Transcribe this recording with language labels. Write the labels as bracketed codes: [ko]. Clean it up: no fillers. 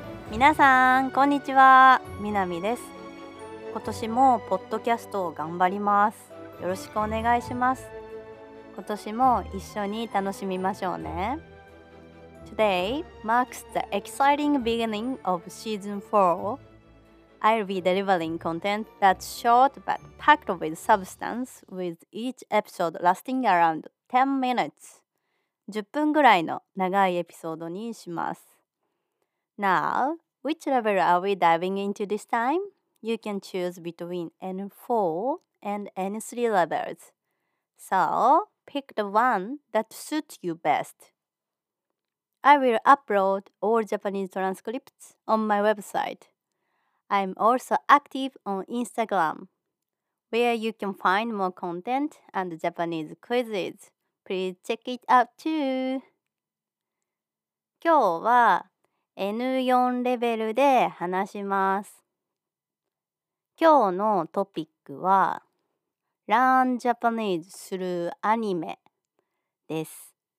[ja] 皆さんこんにちは、みなみです。今年もポッドキャストを頑張ります。よろしくお願いします。今年も一緒に楽しみましょうね。 [en] Today marks the exciting beginning of season 4. I'll be delivering content that's short but packed with substance, with each episode lasting around 10 minutes. [ja] 10分ぐらいの長いエピソードにします。 [en] Now, which level are we diving into this time? You can choose between N4 and N3 levels. So, pick the one that suits you best. I will upload all Japanese transcripts on my website. I'm also active on Instagram, where you can find more content and Japanese quizzes. Please check it out too! [ja] 今日は N4 レベルで話します。今日のトピックは [en] Learn Japanese through [ja] アニメです。